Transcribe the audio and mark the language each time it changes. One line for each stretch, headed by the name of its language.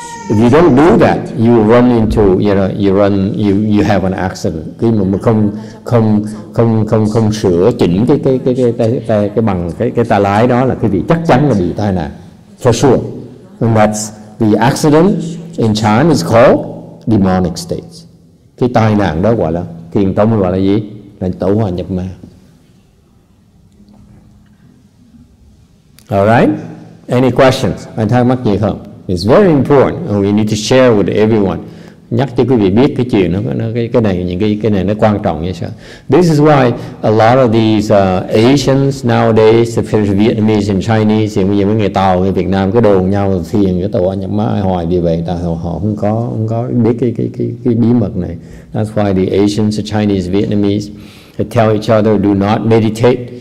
English: If you don't do that, you run into, you know, you run, you have an accident.
Vietnamese: Khi mà không sửa chỉnh cái bằng cái tay lái đó là quý vị chắc chắn là bị tai nạn.
English: For sure. And that's the accident in China is called demonic states.
Vietnamese: Cái tai nạn đó gọi là thiền tông gọi là gì? Là tẩu hòa nhập ma.
English: All right? Any questions?
Vietnamese: Anh thắc mắc gì không?
English: It's very important, and we need to share with everyone.
Vietnamese: Nhắc cho quý vị biết cái chuyện nó cái này những cái này nó quan trọng như sao.
English: This is why a lot of these Asians nowadays, especially Vietnamese and Chinese,
Vietnamese: thì bây giờ mấy người Tàu, người Việt Nam cứ đồn nhau thiền cái tàu nhập ma hoài vì vậy, tại họ không có biết cái bí mật này.
English: That's why the Asians, the Chinese, Vietnamese, they tell each other do not meditate.